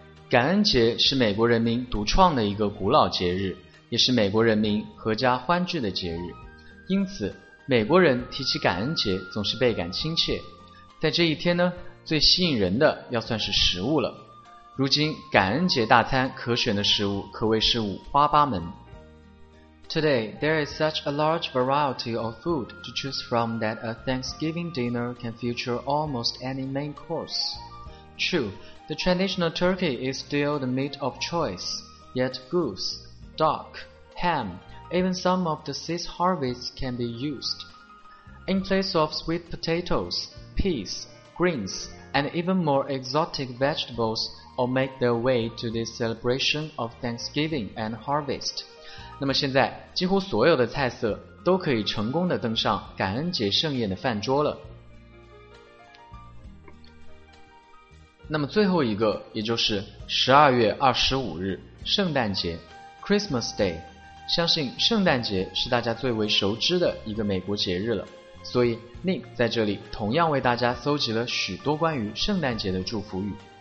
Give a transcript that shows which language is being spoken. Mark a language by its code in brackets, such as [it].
[zh] 感恩节是美国人民独创的一个古老节日，也是美国人民合家欢聚的节日，因此美国人提起感恩节总是倍感亲切。在这一天呢，最吸引人的要算是食物了，如今感恩节大餐可选的食物可谓是五花八门。 [en] Today there is such a large variety of food to choose from that a Thanksgiving dinner can feature almost any main course. True, the traditional turkey is still the meat of choice, yet goose, duck, ham, even some of the seed harvests can be used. In place of sweet potatoes, peas,greens, and even more exotic vegetables all make their way to this celebration of Thanksgiving and harvest. [zh] 那么现在几乎所有的菜色都可以成功的登上感恩节盛宴的饭桌了。那么最后一个也就是12月25日圣诞节 Christmas Day， 相信圣诞节是大家最为熟知的一个美国节日了，所以 Nick 在这里同样为大家搜集了许多关于圣诞节的祝福语。